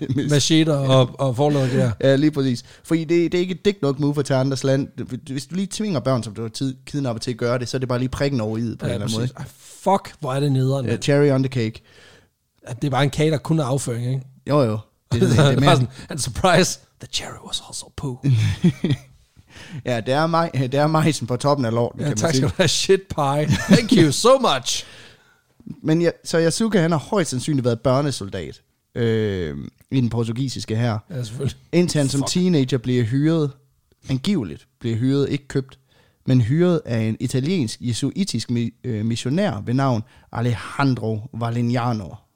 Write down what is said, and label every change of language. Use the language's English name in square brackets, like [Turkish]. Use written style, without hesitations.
[Danish] Macheter og forlod, ja. Ja, lige præcis. Fordi det er ikke et dig nok move at tage andres land. Hvis du lige tvinger børn, som du har kidnappet til at gøre det, så er det bare lige prikken over i det på en eller anden måde. Fuck, hvor er det nederen. [English] Ja, cherry on the cake. [Danish] Ja, det er bare en kage, der kun er afføring, ikke? Jo. Det er sådan, [English] and surprise, the cherry was also poo. [Danish] Ja, det er majsen på toppen af lorten, ja, kan tak, man sige. Tak skal du have, [English] shit pie. Thank you so much. [Danish] Men Yasuka, han har højst sandsynligt været børnesoldat i den portugisiske hær. Ja, selvfølgelig. Indtil han som teenager bliver hyret, angiveligt bliver hyret, ikke købt, men hyret af en italiensk jesuitisk missionær ved navn Alejandro Valignano.